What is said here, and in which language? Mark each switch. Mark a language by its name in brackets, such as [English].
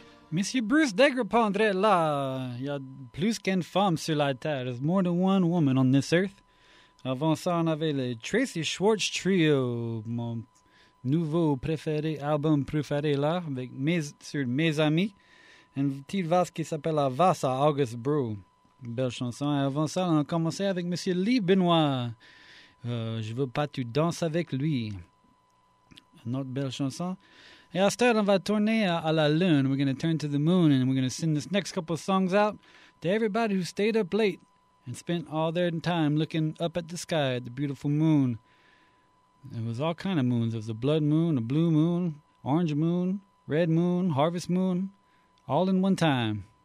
[French] Monsieur Bruce Degrepondre, là, il y a plus qu'une femme sur la terre. [English] There's more than one woman on this earth. [French] Avant ça, on avait le Tracy Schwartz Trio, mon nouveau préféré, album préféré là, avec mes amis. Une petite vase qui s'appelle La Vase à August Brew. Belle chanson. Et avant ça, on a commencé avec Monsieur Lee Benoit. Je veux pas tu danses avec lui. Une autre belle chanson. Et à ce stade, on va tourner à la lune. [English] We're going to turn to the moon and we're going to send this next couple of songs out to everybody who stayed up late and spent all their time looking up at the sky at the beautiful moon. It was all kind of moons. It was a blood moon, a blue moon, orange moon, red moon, harvest moon, all in one time.